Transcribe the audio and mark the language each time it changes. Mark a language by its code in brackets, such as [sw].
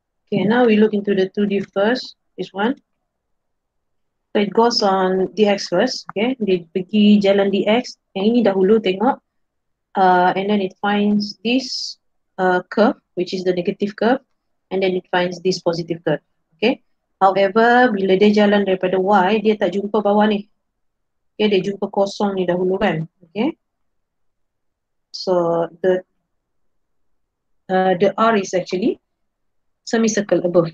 [en] Okay, now we look into the 2D first, this one. So it goes on dx first, okay. [ms] Dia pergi jalan dx, yang ini dahulu tengok. [en] And then it finds this curve, which is the negative curve. And then it finds this positive curve, okay. However, [ms] bila dia jalan daripada y, dia tak jumpa bawah ni. Okay, dia jumpa kosong ni dahulu kan, okay. [en] So, the r is actually semicircle above.